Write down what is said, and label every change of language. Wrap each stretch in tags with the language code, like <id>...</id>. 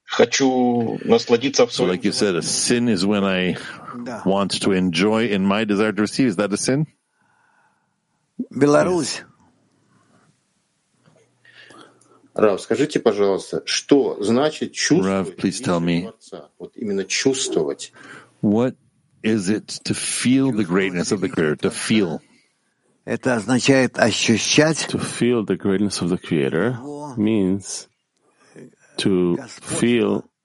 <en>So like you said, a sin is when I want to enjoy in my desire to receive. Is that a sin? Belarus.</en> <ru>Rav, скажите, пожалуйста, что значит чувствовать?</ru> <en>Rav, please tell me.</en> <ru>Вот именно чувствовать.</ru> <en>What is it to feel the greatness of the Creator? To feel.</en> <ru>Это означает ощущать.</ru> <en>To feel the greatness of the Creator means to feel</en>